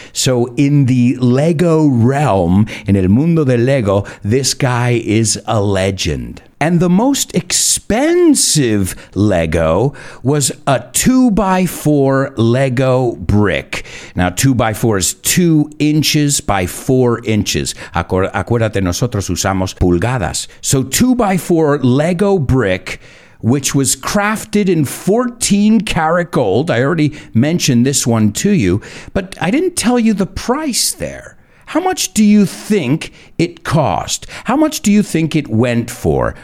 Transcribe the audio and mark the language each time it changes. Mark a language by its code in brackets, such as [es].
[en] So in the Lego realm, in [es] el mundo del Lego, [en] this guy is a legend. And the most expensive Lego was a 2x4 Lego brick. Now, 2x4 is 2 inches by 4 inches. [es] Acuérdate, nosotros usamos pulgadas. [en] So 2x4 Lego brick, which was crafted in 14 karat gold. I already mentioned this one to you, but I didn't tell you the price there. How much do you think it cost? How much do you think it went for?